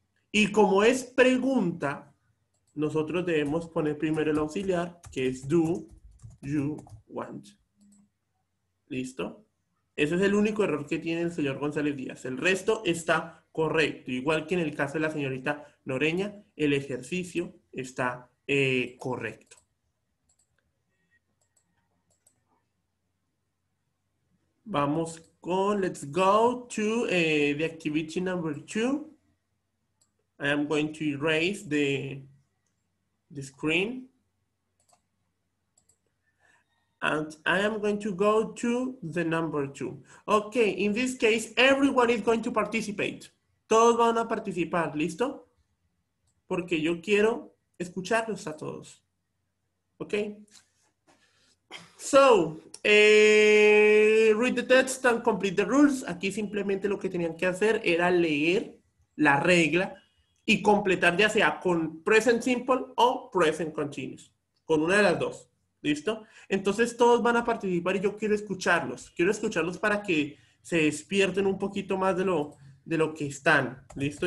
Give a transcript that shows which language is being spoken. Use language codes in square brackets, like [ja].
[es] Y como es pregunta, nosotros debemos poner primero el auxiliar, que es [en] do you want. [es] ¿Listo? Ese es el único error que tiene el señor González Díaz. El resto está Correcto. Igual que en el caso de la señorita Noreña, el ejercicio está correcto. Vamos con, [en] let's go to the activity number two. I am going to erase the screen. And I am going to go to the number two. Okay, in this case, everyone is going to participate. [es] Todos van a participar, ¿listo? Porque yo quiero escucharlos a todos. Okay. [en] So, read the text and complete the rules. [es] Aquí simplemente lo que tenían que hacer era leer la regla y completar ya sea con present simple o present continuous. Con una de las dos. ¿Listo? Entonces todos van a participar y yo quiero escucharlos. Quiero escucharlos para que se despierten un poquito más de lo que están. ¿Listo?